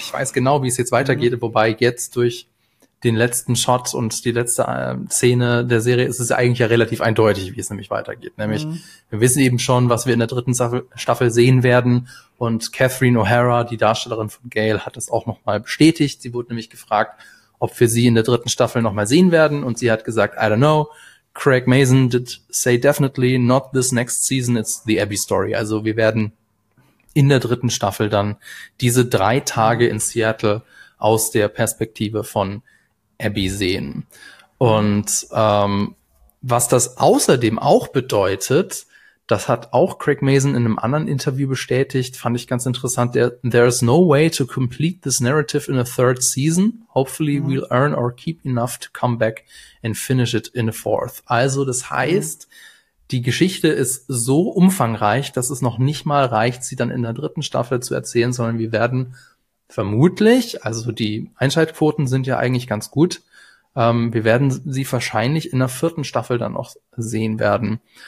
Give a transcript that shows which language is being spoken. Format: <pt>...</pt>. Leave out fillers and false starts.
<de>Ich weiß genau, wie es jetzt weitergeht. Mhm. Wobei jetzt durch den letzten Shot und die letzte Szene der Serie ist es eigentlich ja relativ eindeutig, wie es nämlich weitergeht. Nämlich, wir wissen eben schon, was wir in der dritten Staffel sehen werden. Und Catherine O'Hara, die Darstellerin von Gale, hat das auch noch mal bestätigt. Sie wurde nämlich gefragt, ob wir sie in der dritten Staffel noch mal sehen werden. Und sie hat gesagt,</de> <en>I don't know. Craig Mazin did say definitely not this next season, it's the Abby story.</en> <de>Also wir werden in der dritten Staffel dann diese 3 Tage in Seattle aus der Perspektive von Abby sehen. Und was das außerdem auch bedeutet, das hat auch Craig Mazin in einem anderen Interview bestätigt, fand ich ganz interessant.</de> <en>There is no way to complete this narrative in a third season. Hopefully we'll earn or keep enough to come back and finish it in a fourth.</en> <de>Also das heißt, die Geschichte ist so umfangreich, dass es noch nicht mal reicht, sie dann in der dritten Staffel zu erzählen, sondern wir werden vermutlich, also die Einschaltquoten sind ja eigentlich ganz gut, wir werden sie wahrscheinlich in der 4. Staffel dann noch sehen werden.</de>